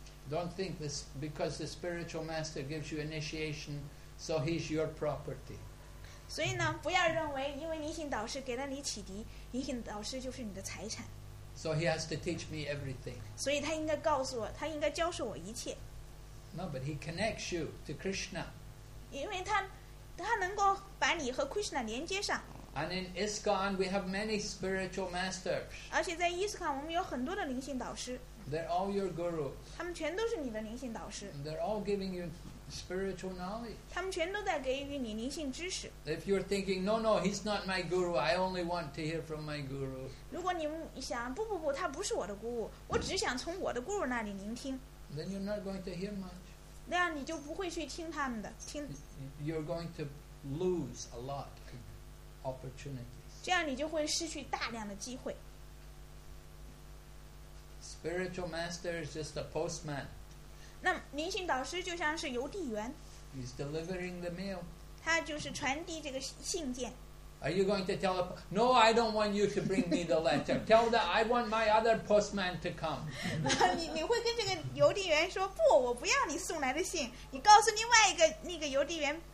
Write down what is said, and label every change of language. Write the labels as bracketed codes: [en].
[en] Don't think this because the spiritual master gives you initiation, so he's your property. [zh] 所以呢，不要认为因为灵性导师给了你启迪，灵性导师就是你的财产。 [en] So he has to teach me everything. [zh] 所以他应该告诉我，他应该教授我一切。 [en] No, but he connects you to Krishna. [zh] 因为他能够把你和 Krishna 连接上。 [en] And in ISKCON, we have many spiritual masters. [zh] 而且在 ISKCON, 我们有很多的灵性导师。 [en] They're all your gurus. [zh] 他们全都是你的灵性导师。 [en] They're all giving you spiritual knowledge. [zh] 他们全都在给予你灵性知识。 [en] If you're thinking, no, no, he's not my guru. I only want to hear from my guru. [zh] 如果你想，不不不，他不是我的 guru， 我只想从我的 guru 那里聆听。 [en] Then you're not going to hear much. [zh] 那样你就不会去听他们的，听。 [en] You're going to lose a lot of opportunities. [zh] 这样你就会失去大量的机会。 [en] Spiritual master is just a postman. [zh] 那灵性导师就像是邮递员。 [en] He's delivering the mail. [zh] 他就是传递这个信件。 [en] Are you going to tell a no, I don't want you to bring me the letter. Tell that I want my other postman to come. [zh] 你会跟这个邮递员说不，我不要你送来的信，你告诉另外一个那个邮递员。